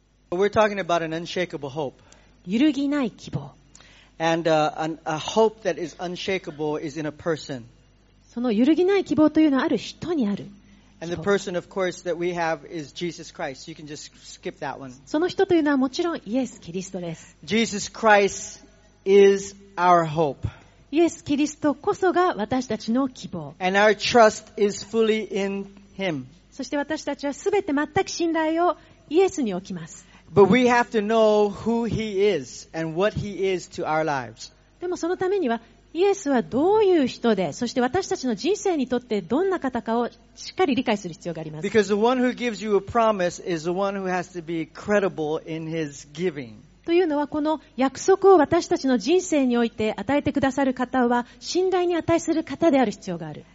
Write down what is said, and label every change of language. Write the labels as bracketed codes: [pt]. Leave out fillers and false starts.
[en] We're talking about an unshakable hope. [ja] 揺るぎない希望。 [en] And a hope that is unshakable is in a person. [ja] その揺るぎない希望というのはある人にある。 [en] And the person, of course, that we have is Jesus Christ. You can just skip that one. [ja] その人というのはもちろんイエス・キリストです。 [en] Jesus Christ is our hope. [ja] イエス・キリストこそが私たちの希望。 [en] And our trust is fully in him. [ja] そして私たちはすべて全く信頼をイエスに置きます。 [en] But we have to know who he is and what he is to our lives. [ja] でもそのためにはイエスはどういう人で、そして私たちの人生にとってどんな方かをしっかり理解する必要があります。 [en] Because the one who gives you a promise is the one who has to be credible in his giving. [ja] というのはこの約束を私たちの人生において与えてくださる方は信頼に値する方である必要がある。